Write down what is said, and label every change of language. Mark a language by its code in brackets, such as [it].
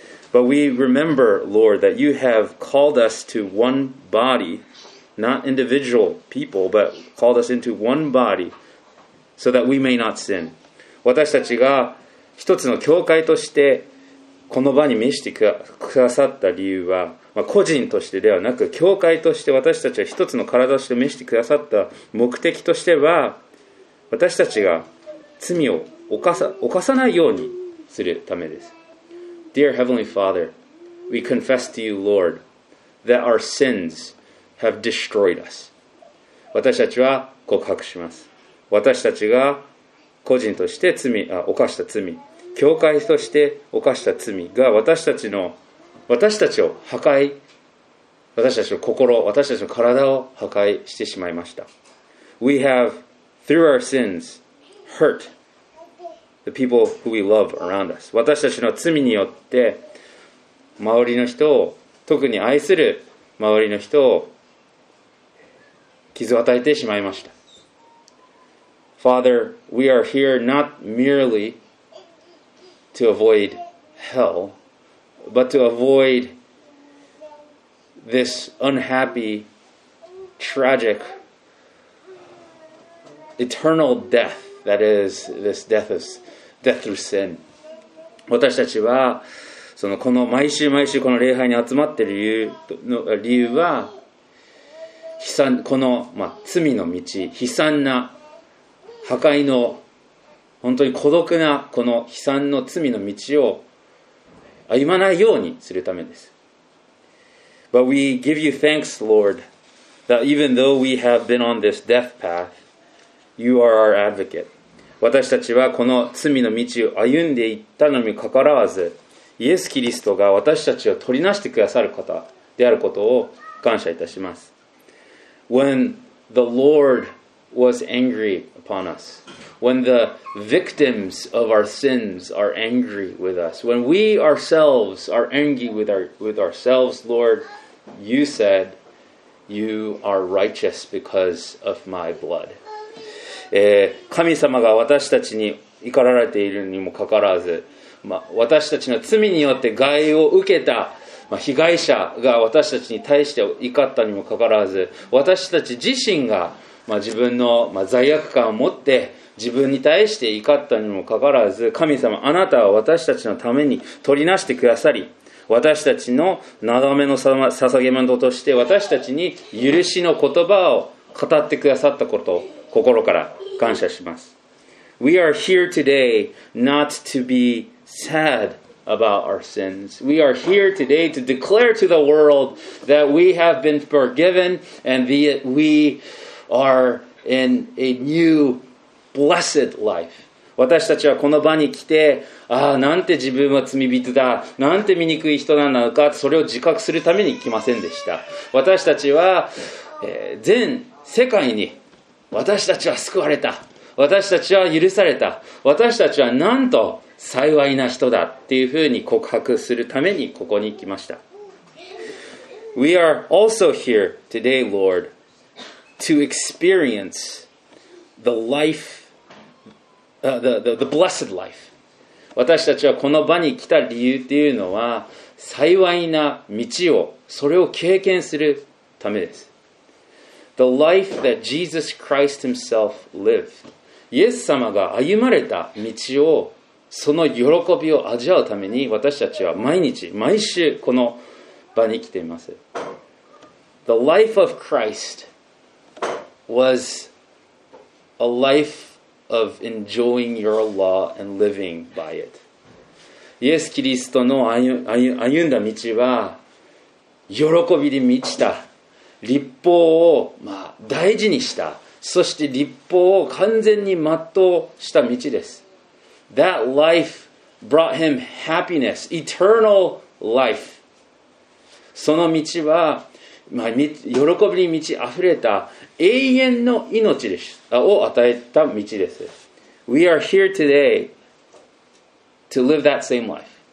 [en] But we remember, Lord, that you have called us to one body, not individual people, but called us into one body so that we may not sin. [ja] 私たちが一つの教会としてこの場に召してくださった理由は、個人としてではなく、教会として私たちは一つの体として召してくださった目的としては、私たちが罪を犯さないようにするためです。 [en] Dear Heavenly Father, we confess to you, Lord, that our sins have destroyed us. [ja] 私たちは告白します。私たちが個人として犯した罪、教会として犯した罪が私たちの心、私たちの体を破壊してしまいました。 [en] We have, through our sins, hurt the people who we love around us. [ja] 私たちの罪によって周りの人を、特に愛する周りの人を傷を与えてしまいました。 [en] Father, we are here not merely to avoid hell, but to avoid this unhappy, tragic, eternal death that is this death through sin. [ja] 私たちはそのこの毎週毎週この礼拝に集まっている理由は、悲惨、この、罪の道、悲惨な破壊の、本当に孤独なこの悲惨の罪の道を歩まないようにするためです。 [en] But we give you thanks, Lord, that even though we have been on this death path, you are our advocate. [ja] 私たちはこの罪の道を歩んでいったのにかかわらず、イエス・キリストが私たちを取りなしてくださる方であることを感謝いたします。 [en] When the Lord was angry upon us, when the victims of our sins are angry with us, when we ourselves are angry with ourselves, Lord, you said, you are righteous because of my blood. [ja] 神様が私たちに怒られているにもかかわらず、私たちの罪によって害を受けた、被害者が私たちに対して怒ったにもかかわらず、私たち自身が自分の罪悪感を持って自分に対して怒ったにもかかわらず、神様、あなたは私たちのために取りなしてくださり、私たちのなだめの捧げ物として私たちに許しの言葉を語ってくださったことを心から感謝します。 [en] We are here today not to be sad about our sins. We are here today to declare to the world that we have been forgiven and that we are in a new blessed life. [ja] 私たちはこの場に来て、ああ、なんて自分は罪人だ、なんて醜い人なのか、それを自覚するために来ませんでした。私たちは、全世界に、私たちは救われた、私たちは許された、私たちはなんと幸いな人だっていうふうに告白するためにここに来ました。 [en] We are also here today, Lord, to experience the life. The blessed life. [ja] 私たちはこの場に来た理由っていうのは幸いな道をそれを経験するためです。 [en] The life that Jesus Christ himself lived. [ja] イエス様が歩まれた道をその喜びを味わうために私たちは毎日毎週この場に来ています。 [en] The life of Christ was a lifeOf enjoying your law and living by it. [ja] イエス・キリストの歩んだ道は喜びで満ちた律法を、まあ、大事にしたそして律法を完全に全うした道です。 [en] That life brought him happiness, eternal life. [ja] その道は、まあ、喜びに満ちあふれた永遠の命です。を与えた道です。 [en] We are here today to live that same life.